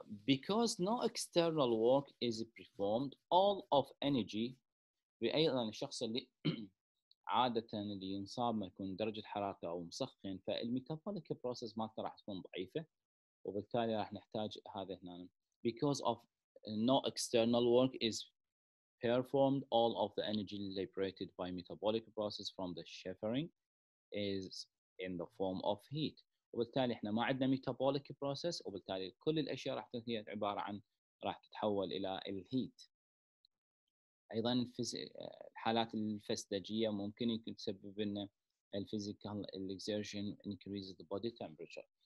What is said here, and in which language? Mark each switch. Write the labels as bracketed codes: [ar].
[en] Because no external work is performed, all of energy, [ar] بأيضا الشخص اللي عادة اللي ينصاب ما يكون درجة حرارته أو مسخن، فالميتابوليك بروسيس ما راح تكون ضعيفة، وبالتالي راح نحتاج هذا هنا. [en] Because of no external work is performed, all of the energy liberated by metabolic process from the shuffering is in the form of heat. [ar] وبالتالي احنا ما عندنا ميتابوليك بروسيس، وبالتالي كل الاشياء راح هي عباره عن راح تتحول الى الهيت. ايضا الحالات الفسدجيه ممكن يكون تسبب لنا [en] الفيزيكال exertion increase the body temperature.